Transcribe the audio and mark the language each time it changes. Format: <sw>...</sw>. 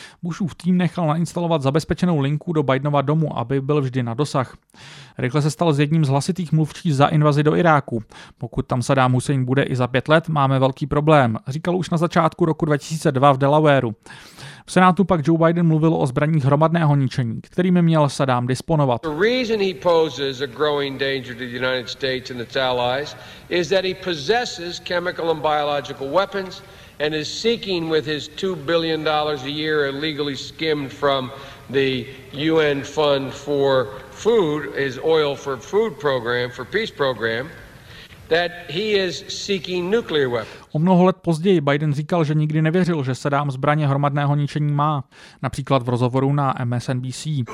<cs>Bushův tým nechal nainstalovat zabezpečenou linku do Bidenova domu, aby byl vždy na dosah. Rychle se stal s jedním z hlasitých mluvčí za invazi do Iráku. Pokud tam Saddam Hussein bude i za 5 let, máme velký problém, říkal už na začátku roku 2002 v Delawareu. V Senátu pak Joe Biden mluvil o zbraních hromadného ničení, kterými měl Saddam disponovat.</cs> <en>The reason he poses a growing danger to the United States and its allies is that he possesses chemical and biological weapons and is seeking with his $2 billion a year illegally skimmed from the UN fund for food, his oil for food program, for peace program, that he is seeking nuclear weapons.</en> <cs>O mnoho let později Biden říkal, že nikdy nevěřil, že Saddam zbraně hromadného ničení má, například v rozhovoru na MSNBC.</cs>